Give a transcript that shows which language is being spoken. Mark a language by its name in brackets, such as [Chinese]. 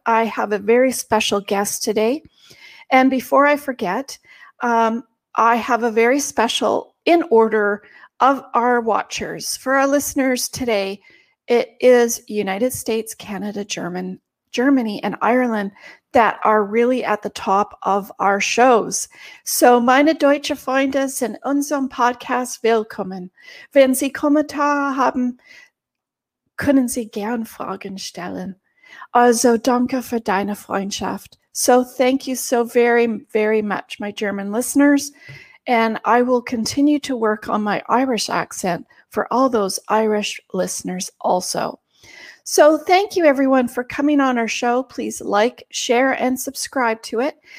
[English] I have a very special guest today. And before I forget, I have a very special in order of our watchers. For our listeners today, it is United States, Canada, Germany, and Ireland that are really at the top of our shows. [German] So meine deutsche Freunde sind unserem Podcast willkommen. Wenn Sie Kommentare haben, können Sie gern Fragen stellen. Also danke für deine Freundschaft. [English] So thank you so very, very much, my German listeners. And I will continue to work on my Irish accent for all those Irish listeners also. So thank you, everyone, for coming on our show. Please like, share, and subscribe to it.